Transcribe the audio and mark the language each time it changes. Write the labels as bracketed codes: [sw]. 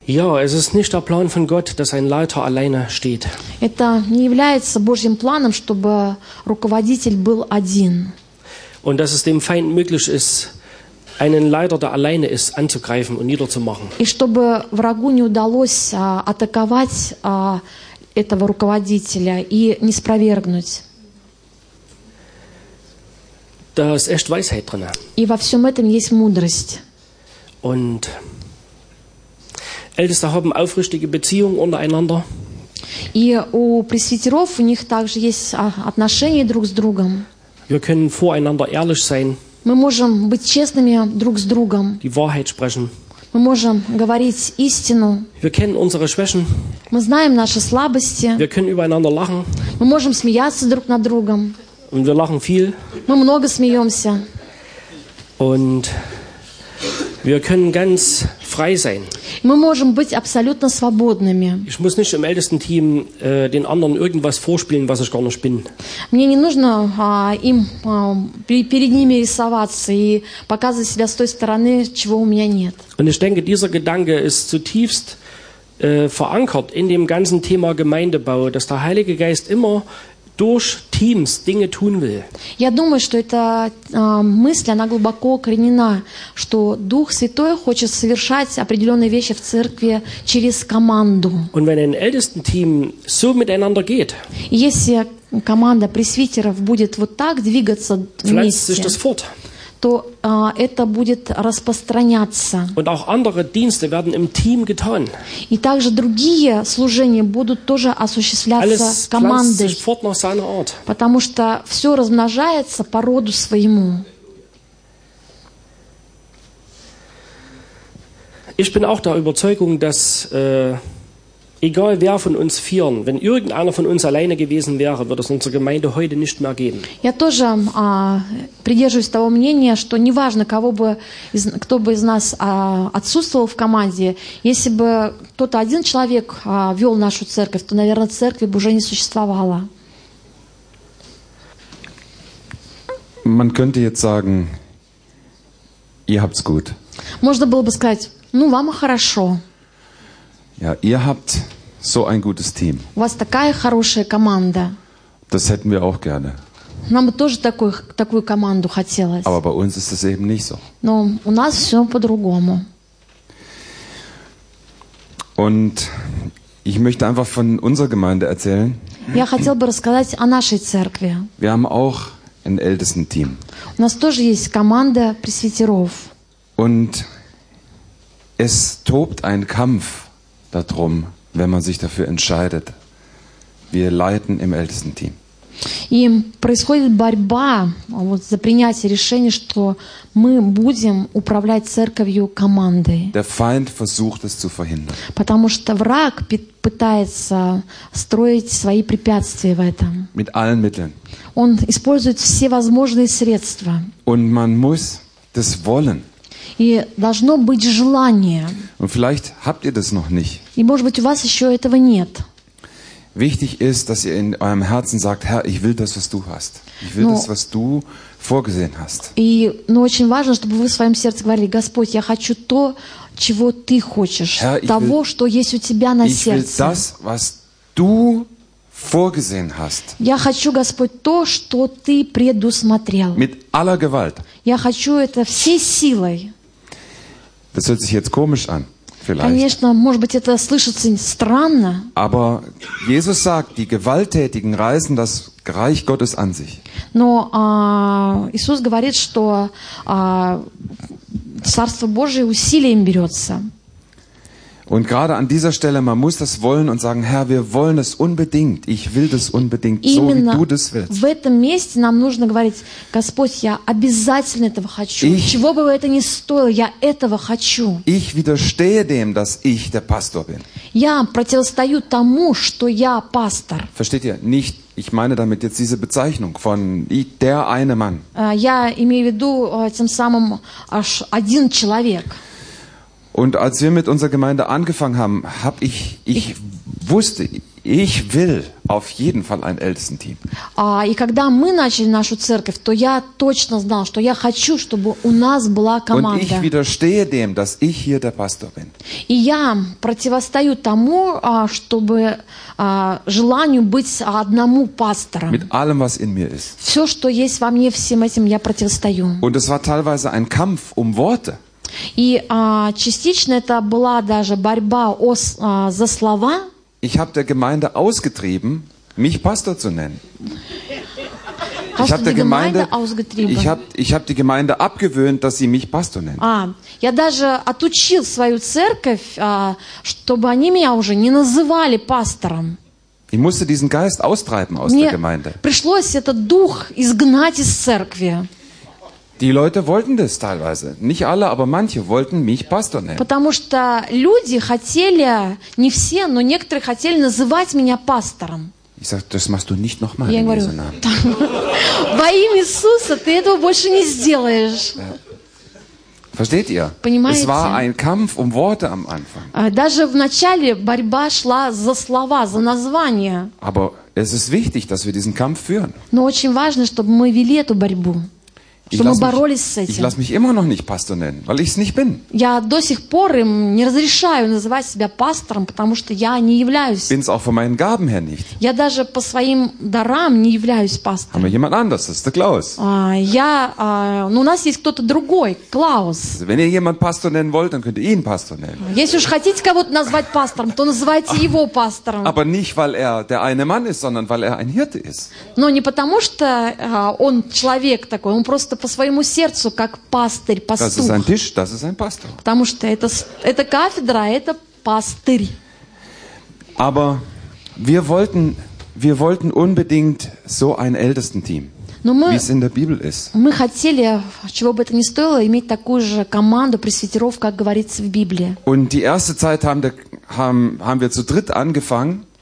[de] Ja, es ist nicht der Plan von Gott, dass ein Leiter alleine steht. [ru] Это не является Божьим планом, чтобы руководитель был один. [de] Und dass es dem Feind möglich ist, einen Leiter, der alleine ist, anzugreifen und niederzumachen. [ru] И чтобы врагу не удалось атаковать этого руководителя и не спровергнуть. [de] Da ist echt Weisheit drin. [ru] И во всем этом есть мудрость. [de] Und Älteste haben aufrichtige Beziehungen untereinander. [ru] И у пресвитеров у них также есть отношения друг с другом. [de] Wir können voreinander ehrlich sein. [ru] Мы можем быть честными друг с другом. [de] Die Wahrheit sprechen. [ru] Мы можем говорить истину. [de] Wir kennen unsere Schwächen. [ru] Мы знаем наши слабости. [de] Wir können übereinander lachen. [ru] Мы можем смеяться друг над другом. [de] Und wir lachen viel. [ru] Мы много смеемся. [de] Und wir können ganz frei sein. [ru] Мы можем быть абсолютно свободными. [de] Ich muss nicht im Ältestenteam den anderen irgendwas vorspielen, was ich gar nicht bin. [ru] Мне не нужно им перед ними рисоваться и показывать себя с той стороны, чего у меня нет. [de] Und ich denke, dieser Gedanke ist zutiefst verankert in dem ganzen Thema Gemeindebau, dass der Heilige Geist immer durch Teams Dinge tun will. [ru] Я думаю, что эта мысль, она глубоко укоренена, что Дух Святой хочет совершать определенные вещи в церкви через команду. [de] Und wenn ein Ältestenteam so miteinander geht, [ru] если команда пресвитеров будет вот так двигаться вместе, [de] sich das fort. [ru] То это будет распространяться. [de] Und auch andere Dienste werden im Team getan. [ru] И также другие служения будут тоже осуществляться командой. [de] Alles pflanzt sich fort nach seiner Art. [ru] Потому что все размножается по роду своему. [de] Ich bin auch der Überzeugung, dass egal wer von uns vieren, wenn irgendeiner von uns alleine gewesen wäre, würde es unsere Gemeinde heute nicht mehr geben. [ru] Я тоже придерживаюсь того мнения, что неважно, кто бы из нас отсутствовал в команде, если бы кто-то один человек вел нашу церковь, то, наверное, церкви бы уже не существовало. [de] Man könnte jetzt sagen, ihr habt's gut. [ru] Можно было бы сказать, ну, вам хорошо. [de] Ja, ihr habt so ein gutes Team. [ru] У вас такая хорошая команда. [de] Das hätten wir auch gerne. [ru] Нам бы тоже такую команду хотелось. [de] Aber bei uns ist das eben nicht so. [ru] Но у нас все по-другому. [de] Und ich möchte einfach von unserer Gemeinde erzählen. [ru] Я хотел бы рассказать о нашей церкви. [de] Wir haben auch ein Ältestenteam. [ru] У нас тоже есть команда пресвитеров. [de] Und es tobt ein Kampf darum, wenn man sich dafür entscheidet. Wir leiten im Ältestenteam. [ru] И происходит борьба вот, за принятие решения, что мы будем управлять церковью командой. [de] Der Feind versucht es zu verhindern. [ru] Потому что враг пытается строить свои препятствия в этом. [de] Mit allen Mitteln. [ru] Он использует все возможные средства. [de] Und man muss das wollen. [ru] И должно быть желание. [de] Und vielleicht habt ihr das noch nicht. [ru] И, может быть, у вас еще этого нет. [de] Wichtig ist, dass ihr in eurem Herzen sagt, Herr, ich will das, was du hast. Ich will das, was du vorgesehen hast. [ru] Но очень важно, чтобы вы в своем сердце говорили, Господь, я хочу то, чего ты хочешь, [de] Herr, [ru] того, [de] will, [ru] что есть у тебя на [de] ich [ru] сердце. [de] Ich will das, was du vorgesehen hast. [ru] Я хочу, Господь, то, что ты предусмотрел. [de] Mit aller Gewalt. [ru] Я хочу это всей силой. [de] Das hört sich jetzt komisch an, vielleicht. [ru] Конечно, может быть, это слышится странно. [de] Aber Jesus sagt, die Gewalttätigen reißen das Reich Gottes an sich. [ru] Но Иисус говорит, что Царство Божие усилием берется. [de] Und gerade an dieser Stelle, man muss das wollen und sagen, Herr, wir wollen es unbedingt. Ich will das unbedingt, [ru] именно [de] so wie du das willst. [ru] В этом месте нам нужно говорить, Господь, я обязательно этого хочу. Чего бы это ни стоило, я этого хочу. [de] Ich widerstehe dem, dass ich der Pastor bin. [ru] Я противостою тому, что я пастор. [de] Versteht ihr? Nicht, ich meine damit jetzt diese Bezeichnung von der eine Mann. [ru] Я имею в виду тем самым аж один человек. [de] Und als wir mit unserer Gemeinde angefangen haben, habe ich wusste, Ich will auf jeden Fall ein Ältestenteam. [ru] И когда мы начали нашу церковь, то я точно знал, что я хочу, чтобы у нас была команда. [de] Und ich widerstehe dem, dass ich hier der Pastor bin. [ru] И я противостою тому, чтобы желанию быть одному пастором. [de] Mit allem, was in mir ist. [ru] Все, что есть во мне, всем этим я противостою. [de] Und es war teilweise ein Kampf um Worte. [ru] И частично это была даже борьба за слова. [de] Ich habe der Gemeinde ausgetrieben, mich Pastor zu nennen. Hast ich habe der Gemeinde ausgetrieben. Ich hab die Gemeinde abgewöhnt, dass sie mich Pastor nennen. [ru] Я даже отучил свою церковь, чтобы они меня уже не называли пастором. [de] Ich musste diesen Geist austreiben aus [ru] Мне [de] der Gemeinde. [ru] Пришлось этот дух изгнать из церкви. [de] Die Leute wollten das teilweise. Nicht alle, aber manche wollten mich Pastor nennen. [ru] Потому что люди хотели, не все, но некоторые хотели называть меня пастором. [de] Ich sag, das machst du nicht nochmal in Jesu Namen. [ru] Я говорю, во имя Иисуса ты этого больше не сделаешь. [de] Versteht ihr? [ru] Понимаете? [de] Es war ein Kampf um Worte am Anfang. [ru] Даже в начале борьба шла за слова, за название. [de] Aber es ist wichtig, dass wir diesen Kampf führen. [ru] Но очень важно, чтобы мы вели эту борьбу. [de] Ich lasse mich immer noch nicht Pastor nennen, weil ich es nicht bin. [ru] Я до сих пор им не разрешаю называть себя пастором, потому что я не являюсь. [de] Bin's auch von meinen Gaben her nicht. [ru] Я даже по своим дарам не являюсь пастором. [de] Haben wir jemand anders? Das ist der Klaus. [ru] У нас есть кто-то другой, Клаус. [de] Wenn ihr jemand Pastor nennen wollt, dann könnt ihr ihn Pastor nennen. [ru] Если уж хотите кого-то назвать пастором, то называйте его пастором. [de] Aber nicht, weil er der eine Mann ist, sondern weil er ein Hirte ist. [ru] Но не потому что он человек такой, он просто по своему сердцу, как пастырь, пастух. [de] Das ist ein Tisch, das ist ein Pastor. [ru] Потому что это кафедра, это пастырь. [de] Aber wir wollten unbedingt so ein Ältestenteam, wie es in der Bibel ist. [ru] Мы хотели, чего бы это ни стоило, иметь такую же команду пресвитеров, как говорится в Библии. [de] Und die erste Zeit haben wir zu dritt angefangen.